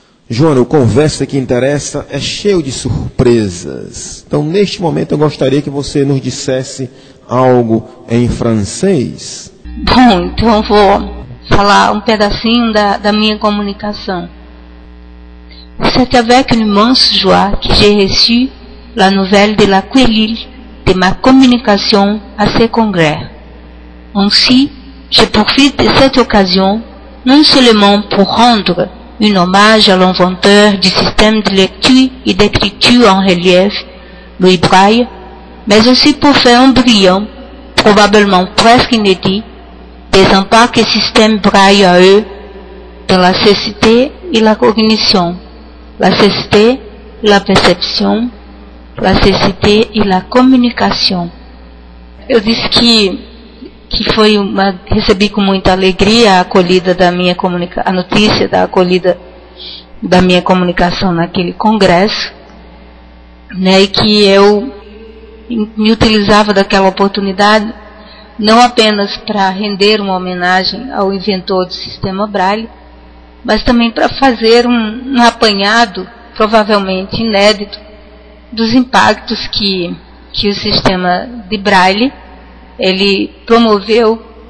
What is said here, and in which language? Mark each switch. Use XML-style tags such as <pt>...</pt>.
<pt>Joana, o Conversa que Interessa é cheio de surpresas. Então, neste momento, eu gostaria que você nos dissesse algo em francês. Bom, então vou falar um pedacinho da minha comunicação.</pt> <fr>C'est avec une immense joie que j'ai reçu la nouvelle de la Quélille de ma communication à ce congrès. Ainsi, je profite de cette occasion non seulement pour rendre un hommage à l'inventeur du système de lecture et d'écriture en relief, Louis Braille, mais aussi pour faire un brillant, probablement presque inédit, des impacts que système Braille a eu dans la cécité et la cognition. La cécité, la perception, la cécité et la communication.</fr> <pt>Eu disse que foi uma, recebi com muita alegria a acolhida da minha comunicação, a notícia da acolhida da minha comunicação naquele congresso, né, e que eu me utilizava daquela oportunidade não apenas para render uma homenagem ao inventor do sistema Braille, mas também para fazer um apanhado, provavelmente inédito, dos impactos que o sistema de Braille ele promoveu</pt>